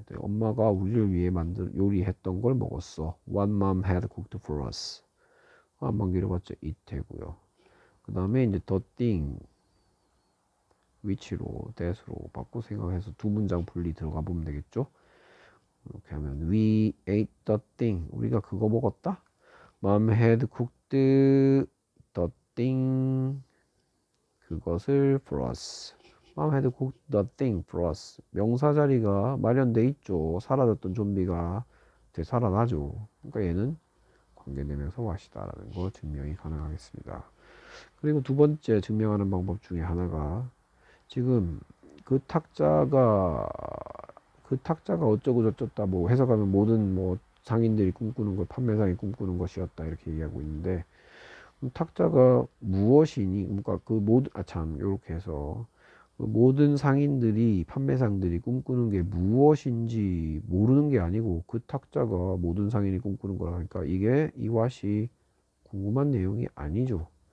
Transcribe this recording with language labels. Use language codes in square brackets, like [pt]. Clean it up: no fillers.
[ko] 엄마가 우리를 위해 만든 요리했던 걸 먹었어. [en] What mom had cooked for us. [ko] 한번 길어봤자 it 되고요. 그 다음에 이제 the thing. 위치로 대수로 바꿔 생각해서 두 문장 분리 들어가 보면 되겠죠? 이렇게 하면 [en] we ate the thing [ko] 우리가 그거 먹었다. [en] Mom had cooked the thing [ko] 그것을 [en] for us. Mom had cooked the thing for us. [ko] 명사 자리가 마련돼 있죠. 사라졌던 좀비가 되살아나죠. 그러니까 얘는 관계대명사 what이다라는 거 증명이 가능하겠습니다. 그리고 두 번째 증명하는 방법 중에 하나가 지금 그 탁자가 어쩌고저쩌다 뭐 해석하면 모든 뭐 상인들이 꿈꾸는 걸 판매상이 꿈꾸는 것이었다 이렇게 얘기하고 있는데 그럼 탁자가 무엇이니 그러니까 그 모든 아참 요렇게 해서 그 모든 상인들이 판매상들이 꿈꾸는 게 무엇인지 모르는 게 아니고 그 탁자가 모든 상인이 꿈꾸는 거라니까 이게 이 왓이 궁금한 내용이 아니죠.